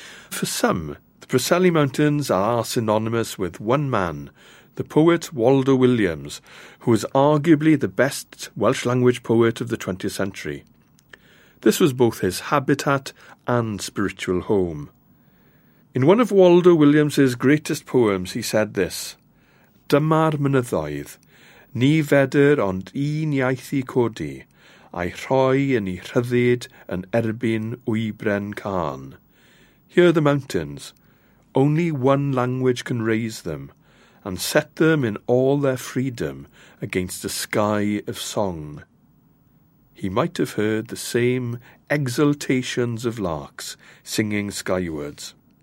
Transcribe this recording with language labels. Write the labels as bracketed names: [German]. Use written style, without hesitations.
[English] For some, the Preseli Mountains are synonymous with one man, the poet Waldo Williams, who is arguably the best Welsh-language poet of the 20th century. This was both his habitat and spiritual home. In one of Waldo Williams's greatest poems, he said this, [Welsh] Dyma'r mynyddoedd, ni fedr ond un iaith I codi, a'i rhoi yn ei rhyddid yn erbyn wybren cân. [English] Here are the mountains. Only one language can raise them, and set them in all their freedom against a sky of song. He might have heard the same exultations of larks singing skywards.